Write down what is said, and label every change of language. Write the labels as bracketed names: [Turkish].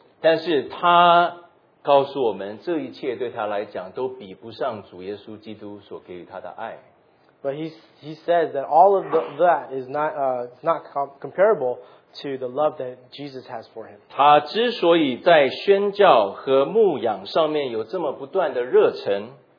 [Chinese] 但是他告诉我们，这一切对他来讲都比不上主耶稣基督所给予他的爱。 [English] But he says that all of that is not not comparable to the love that Jesus has for him. [Chinese] 他之所以在宣教和牧养上面有这么不断的热忱,